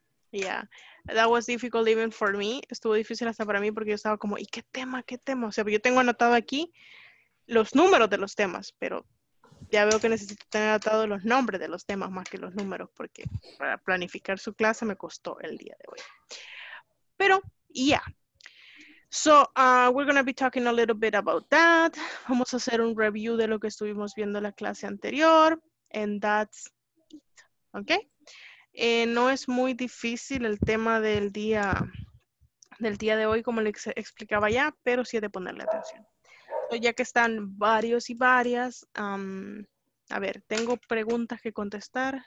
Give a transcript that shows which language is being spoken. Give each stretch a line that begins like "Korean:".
English: Yeah. That was difficult even for me.
Spanish: Estuvo difícil hasta para mí porque yo estaba como, ¿y qué tema? O sea, yo tengo anotado aquí los números de los temas, pero ya veo que necesito tener anotados los nombres de los temas más que los números, porque para planificar su clase me costó el día de hoy. Pero, yeah.
English: So, we're going to be talking a little bit about that.
Spanish: Vamos a hacer un review de lo que estuvimos viendo en la clase anterior.
English: And that's it, okay?
Spanish: No es muy difícil el tema del día de hoy, como le explicaba ya, pero sí he de ponerle atención. So, ya que están varios y varias, a ver, tengo preguntas que contestar.